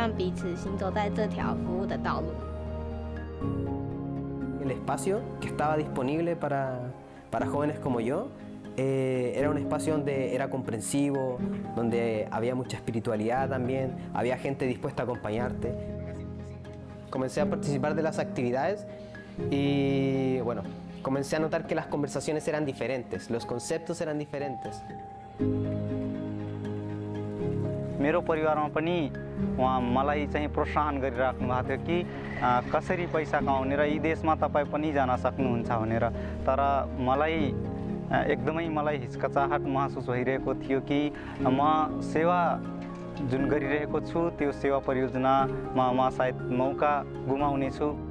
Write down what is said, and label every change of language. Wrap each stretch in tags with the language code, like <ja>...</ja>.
<zh>在青年的这个时候，我们可以很容易的接受新朋友，我们可以消除偏见、嫉妒，然后呢，更重要的是，我们有潜能去创造新的东西，创造新的思维，快速的建立团结在一起，然后一起帮助彼此，然后陪伴彼此，行走在这条服务的道路。</zh> <es>El espacio que estaba disponible para jóvenes como yo era un espacio donde era comprensivo, donde había mucha espiritualidad también, había gente dispuesta a acompañarte. Comencé a participar de las actividades y, bueno, comencé a notar que las conversaciones eran diferentes, los conceptos eran diferentes.</es> <ne>मेरो परिवारमा पनि उहाँ मलाई चाहिँ प्रोत्साहन गरिराख्नु भएको थियो कि कसरी पैसा कमाउने र यी देशमा तपाईँ पनि जान सक्नुहुन्छ भनेर तर मलाई एकदमै मलाई हिचकचाहट महसुस भइरहेको थियो कि म सेवा जुन गरिरहेको छु त्यो सेवा परियोजनामा म सायद मौका गुमाउने छु</ne>